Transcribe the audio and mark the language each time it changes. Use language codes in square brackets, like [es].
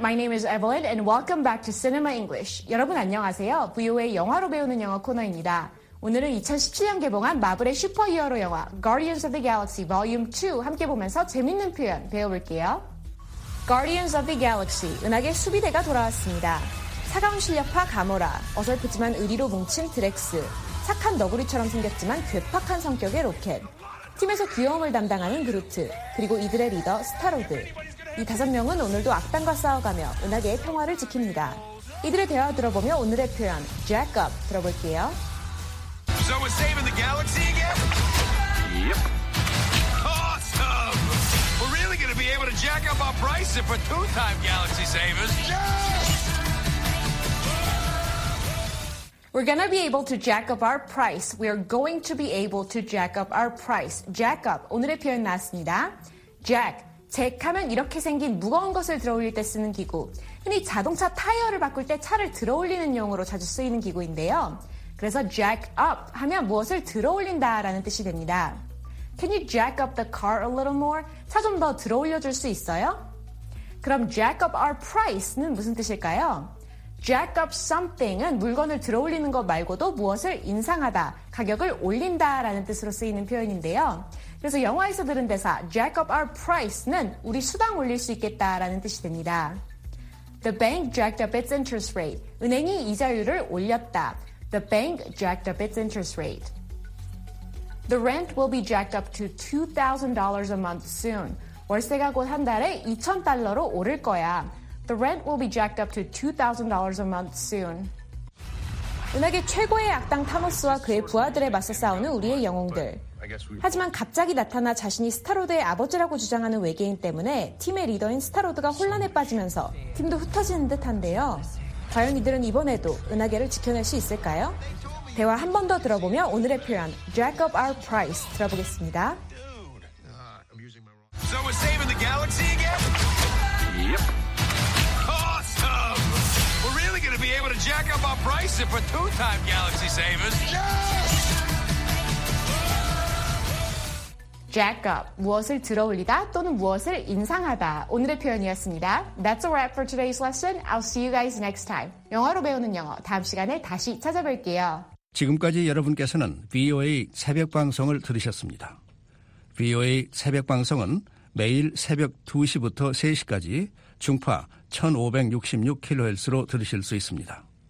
[en] My name is Evelyn and welcome back to Cinema English. [ko] 여러분 안녕하세요. VOA 영화로 배우는 영어 코너입니다. 오늘은 2017년 개봉한 마블의 슈퍼히어로 영화 Guardians of the Galaxy Volume 2 함께 보면서 재밌는 표현 배워볼게요. Guardians of the Galaxy, 은하계 수비대가 돌아왔습니다. 차가운 실력파 가모라, 어설프지만 의리로 뭉친 드렉스, 착한 너구리처럼 생겼지만 괴팍한 성격의 로켓, 팀에서 귀여움을 담당하는 그루트, 그리고 이들의 리더 스타로드. 이 다섯 명은 오늘도 악당과 싸워가며 은하계의 평화를 지킵니다. 이들의 대화 들어보며 오늘의 표현, Jack Up, 들어볼게요. [en] So we're saving the galaxy again? Yep. Awesome! We're really going to be able to jack up our prices for two-time galaxy savers. Yeah! We're going to be able to jack up our price. We are going to be able to jack up our price. Jack up. [ko] 오늘의 표현 나왔습니다. [en] Jack. [ko] Jack 하면 이렇게 생긴 무거운 것을 들어올릴 때 쓰는 기구. 흔히 자동차 타이어를 바꿀 때 차를 들어올리는 용으로 자주 쓰이는 기구인데요. 그래서 jack up 하면 무엇을 들어올린다 라는 뜻이 됩니다. [en] Can you jack up the car a little more? [ko] 차 좀 더 들어올려줄 수 있어요? 그럼 [en] jack up our price [ko] 는 무슨 뜻일까요? [en] Jack up something [ko] 은 물건을 들어올리는 것 말고도 무엇을 인상하다, 가격을 올린다 라는 뜻으로 쓰이는 표현인데요. 그래서 영화에서 들은 대사 [en] Jack up our price [ko] 는 우리 수당 올릴 수 있겠다 라는 뜻이 됩니다. [en] The bank jacked up its interest rate. [ko] 은행이 이자율을 올렸다. [en] The bank jacked up its interest rate. The rent will be jacked up to $2,000 a month soon. [ko] 월세가 곧 한 달에 $2,000로 오를 거야. [en] The rent will be jacked up to $2,000 a month soon. [ko] 은하계 최고의 악당 타노스와 그의 부하들에 맞서 싸우는 우리의 영웅들. 하지만 갑자기 나타나 자신이 스타로드의 아버지라고 주장하는 외계인 때문에 팀의 리더인 스타로드가 혼란에 빠지면서 팀도 흩어지는 듯한데요. 과연 이들은 이번에도 은하계를 지켜낼 수 있을까요? 대화 한 번 더 들어보며 오늘의 표현 [en] Jack up our price [ko] 들어보겠습니다. [en] So we're saving the galaxy again? Yep. Awesome! We're really going to be able to jack up our price for two-time galaxy savers. Jack up. [ko] 무엇을 들어올리다 또는 무엇을 인상하다. 오늘의 표현이었습니다. [en] That's a wrap for today's lesson. I'll see you guys next time. [ko] 영어로 배우는 영어. 다음 시간에 다시 찾아뵐게요. 지금까지 여러분께서는 VOA 새벽 방송을 들으셨습니다. VOA 새벽 방송은 매일 새벽 2시부터 3시까지 중파 1566kHz로 들으실 수 있습니다.